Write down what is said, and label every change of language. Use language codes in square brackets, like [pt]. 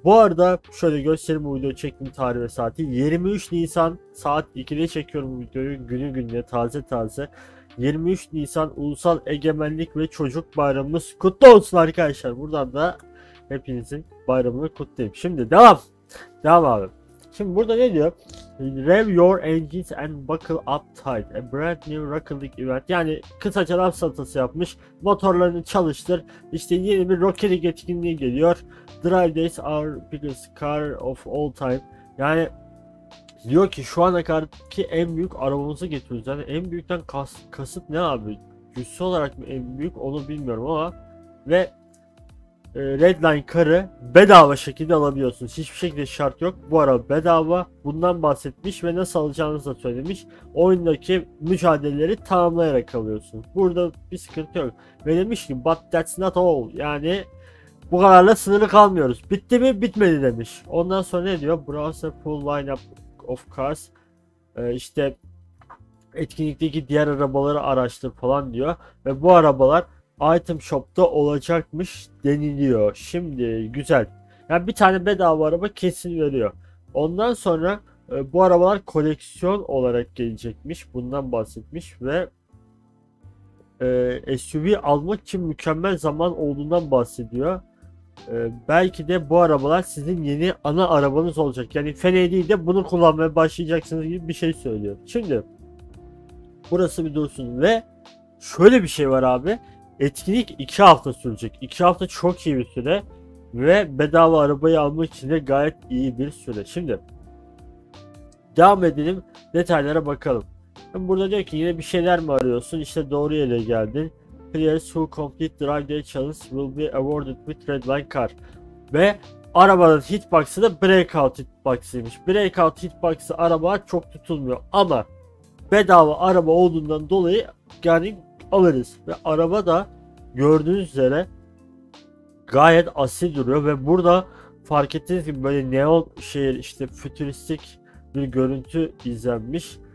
[tr] Bu arada şöyle göstereyim bu videoyu çektiğim tarih ve saati. 23 Nisan saat 2'de çekiyorum bu videoyu. Günü gününe taze taze. 23 Nisan Ulusal Egemenlik ve Çocuk Bayramımız kutlu olsun arkadaşlar. Buradan da hepinizin bayramını kutlayayım. Şimdi devam. Devam abi. Şimdi burada ne diyor? [en] Rev your engines and buckle up tight. A brand new Rocket League event. [tr] Yani kısaca laf satası yapmış. Motorlarını çalıştır. İşte yeni bir Rocket League etkinliği geliyor. [en] Drive Days are biggest car of all time. [tr] Yani diyor ki şu ana kadar ki en büyük arabamızı getiriyoruz. Yani en büyükten kasıt ne abi? Cüssü olarak mı en büyük onu bilmiyorum ama. Ve Redline karı bedava şekilde alabiliyorsunuz. Hiçbir şekilde şart yok. Bu araba bedava. Bundan bahsetmiş ve nasıl alacağınızı da söylemiş. Oyundaki mücadeleleri tamamlayarak alıyorsunuz. Burada bir sıkıntı yok. Ve demiş ki [en] but that's not all. [tr] Yani bu kadarla sınırlı kalmıyoruz. Bitti mi? Bitmedi demiş. Ondan sonra ne diyor? [en] Browse full lineup of cars. [tr] İşte etkinlikteki diğer arabaları araştır falan diyor. Ve bu arabalar Item Shop'ta olacakmış deniliyor. Şimdi güzel. Yani bir tane bedava araba kesin veriyor. Ondan sonra bu arabalar koleksiyon olarak gelecekmiş. Bundan bahsetmiş ve SUV almak için mükemmel zaman olduğundan bahsediyor. Belki de bu arabalar sizin yeni ana arabanız olacak. Yani fena değil de bunu kullanmaya başlayacaksınız gibi bir şey söylüyor. Şimdi burası bir dursun ve şöyle bir şey var abi. Etkinlik 2 hafta sürecek. 2 hafta çok iyi bir süre ve bedava arabayı almak için de gayet iyi bir süre. Şimdi devam edelim, detaylara bakalım. Burada diyor ki yine bir şeyler mi arıyorsun? İşte doğru yere geldin. [en] Players who complete Drive Day Challenge will be awarded with Redline Car. [tr] Ve arabanın hitbox'ı da Breakout hitbox'ıymış. Breakout hitbox'ı araba çok tutulmuyor ama bedava araba olduğundan dolayı yani alırız. Ve araba da gördüğünüz üzere gayet asil duruyor ve burada fark ettiğiniz gibi böyle neon şehir işte fütüristik bir görüntü izlenmiş.